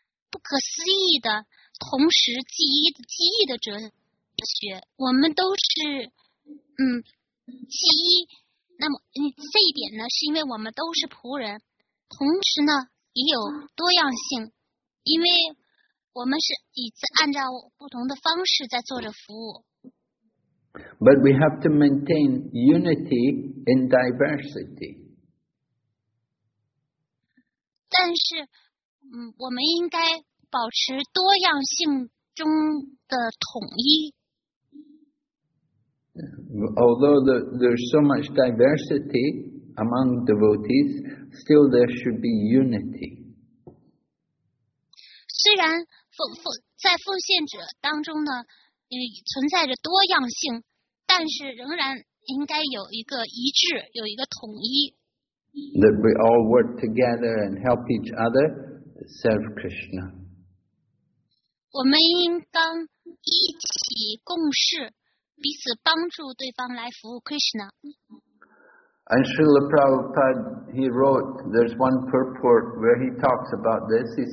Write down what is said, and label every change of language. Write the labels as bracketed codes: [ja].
[zh] 不可思议的同时记忆的哲学，我们都是记忆，那么这一点呢是因为我们都是仆人，同时呢也有多样性，因为我们是以按照不同的方式在做着服务。 [en] But we have to maintain unity in diversity. [zh] 但是我们应该保持多样性中的统一。 [en] Although there's so much diversity among devotees, still there should be unity. [zh] 虽然在奉献者当中呢，存在着多样性，但是仍然应该有一个一致，有一个统一。 [en] That we all work together and help each other to serve Krishna. [zh] 我们应当一起共事，彼此帮助对方来服务 Krishna。 [en] And Srila Prabhupada, he wrote, there's one purport where he talks about this.